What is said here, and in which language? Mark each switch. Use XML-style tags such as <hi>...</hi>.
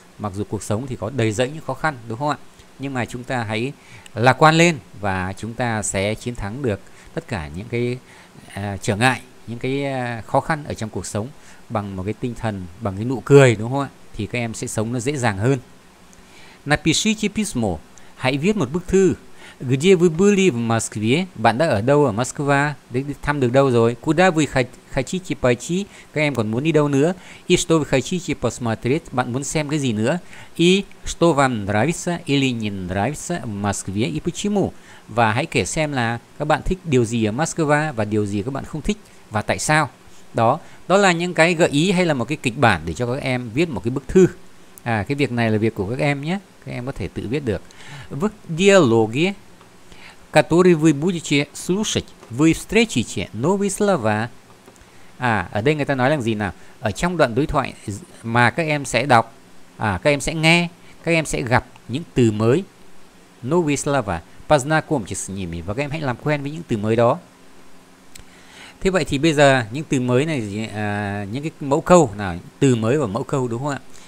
<vi>Mặc dù cuộc sống thì có đầy rẫy những khó khăn, đúng không ạ? Nhưng mà chúng ta hãy lạc quan lên và chúng ta sẽ chiến thắng được tất cả những cái trở ngại, những cái khó khăn ở trong cuộc sống bằng một cái tinh thần, bằng cái nụ cười, đúng không ạ? Thì các em sẽ sống nó dễ dàng hơn.</vi> <ru>Напишите письмо.</ru> <vi>Hãy viết một bức thư.</vi> <ru>Где вы были в Москве?</ru> <vi>Bạn đã ở đâu ở Москва? Đi thăm được đâu rồi?</vi> <ru>Куда вы хотите пойти?</ru> <vi>Các em còn muốн đi đâu nữa?</vi> <ru>И что вы хотите посмотреть?</ru> <vi>Bạn muốn xem cái gì nữa?</vi> <ru>И что вам нравится или не нравится в Москве? И почему?</ru> <vi>Và hãy kể xem là các bạn thích điều gì ở Москва và điều gì các bạn không thích và tại sao? Đó, đó là những cái gợi ý hay là một cái kịch bản để cho các em viết một cái bức thư. À, cái việc này là việc của các em nhé. Các em có thể tự viết được.</vi> <ru>В диалоге, который вы будете слушать, вы встретите новые слова.</ru> <vi>À, ở đây người ta nói là gì nào? Ở trong đoạn đối thoại mà các em sẽ đọc, các em sẽ nghe, các em sẽ gặp những từ mới.</vi> <ru>Новые слова. Познакомьтесь с ними.</ru> <vi>Và các em hãy làm quen với những từ mới đó. Thế vậy thì bây giờ những từ mới này, những cái mẫu câu nào, từ mới và mẫu câu đúng không ạ?</vi>